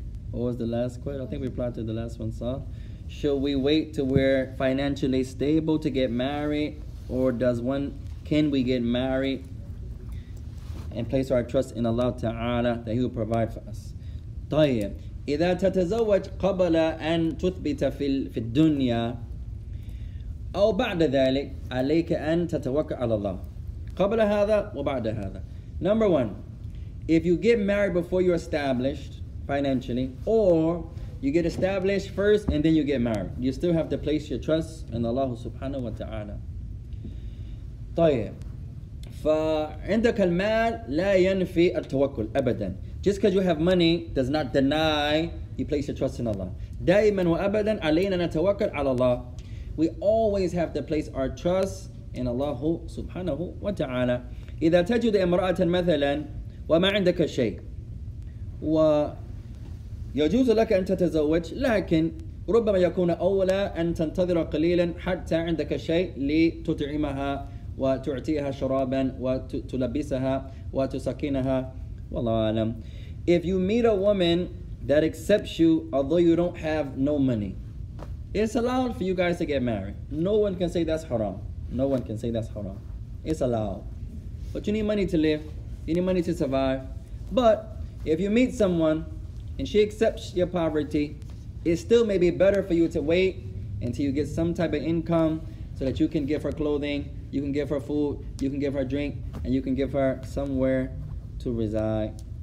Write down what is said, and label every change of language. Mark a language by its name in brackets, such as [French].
[English] What was the last question? I think we applied to the last one, Saul. Should we wait till we're financially stable to get married, or can we get married and place our trust in Allah Ta'ala that He will provide for us? [Arabic] طيب إذا تتزوج قبل أن تثبت في الدنيا أو بعد ذلك عليك أن تتوكل على الله قبل هذا وبعد هذا. [English] Number one, if you get married before you're established financially, or you get established first and then you get married, you still have to place your trust in Allah subhanahu wa ta'ala. [Arabic] طيب فعندك المال لا ينفي التوكل أبدا. [English] Just because you have money does not deny you place your trust in Allah. [Arabic] دائما وأبدا علينا نتوكل على الله. [English] We always have to place our trust in Allah subhanahu wa ta'ala. [Arabic] إذا تجد امرأة مثلا وما عندك شيء و يجوز لك أن تتزوج لكن ربما يكون أولى أن تنتظر قليلا حتى عندك شيء لتطعمها وتعطيها شرابا وتلبسها وتسكنها والله أعلم. [English] If you meet a woman that accepts you although you don't have no money, it's allowed for you guys to get married. No one can say that's haram. No one can say that's haram. It's allowed. But you need money to live. You need money to survive. But if you meet someone and she accepts your poverty, it still may be better for you to wait until you get some type of income so that you can give her clothing, you can give her food, you can give her drink, and you can give her somewhere to reside.